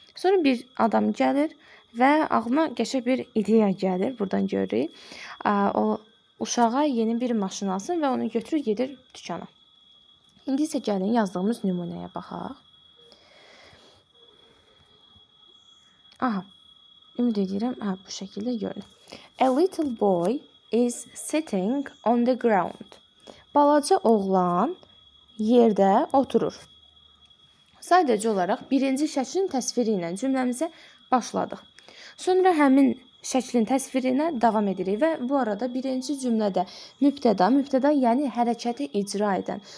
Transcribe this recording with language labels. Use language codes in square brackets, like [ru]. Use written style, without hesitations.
[az] Sonra bir adam gəlir və ağına qəşəb bir ideya gəlir, buradan görürük. O uşağa yeni bir maşın alsın və onu götürür, gedir dükkana. İndi isə gəlin yazdığımız nümunəyə baxaq. Aha, ümid edirəm, bu şəkildə görünür. [en] A little boy is sitting on the ground. [az] Balaca oğlan yerdə oturur. Sadəcə olaraq birinci şəklin təsviri ilə cümləmizə başladıq. Sonra həmin şəklin təsvirinə davam edirik və bu arada birinci cümlədə mübtəda, mübtəda yəni hərəkəti icra edən.